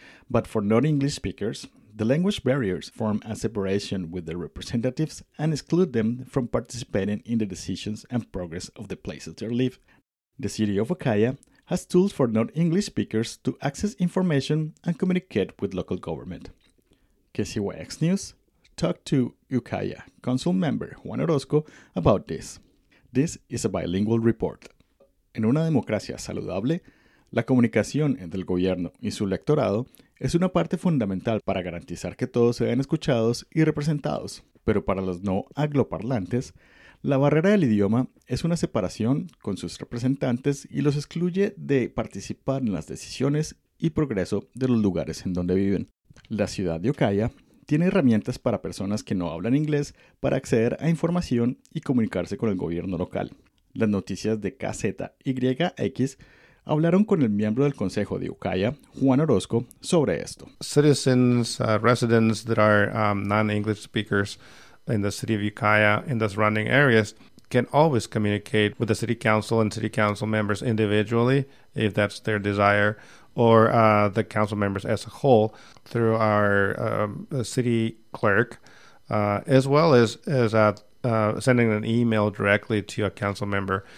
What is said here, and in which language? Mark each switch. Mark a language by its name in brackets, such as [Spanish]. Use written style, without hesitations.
[English] But for non-English speakers, the language barriers form a separation with their representatives and exclude them from participating in the decisions and progress of the places they live. The city of Ocaya has tools for non-English speakers to access information and communicate with local government. KCYX News talked to Ocaya Council Member Juan Orozco about this. This is a bilingual report. [Spanish] En una democracia saludable, la comunicación entre el gobierno y su electorado es una parte fundamental para garantizar que todos sean escuchados y representados. Pero para los no angloparlantes, la barrera del idioma es una separación con sus representantes y los excluye de participar en las decisiones y progreso de los lugares en donde viven. La ciudad de Ocaya tiene herramientas para personas que no hablan inglés para acceder a información y comunicarse con el gobierno local. Las noticias de KZYX hablaron con el miembro del Consejo de Ocaya, Juan Orozco, sobre esto. [English] Citizens, residents that are non-English speakers in the city of Ocaya in the surrounding areas can always communicate with the city council and city council members individually, if that's their desire, or the council members as a whole through our city clerk, as well as sending an email directly to a council member.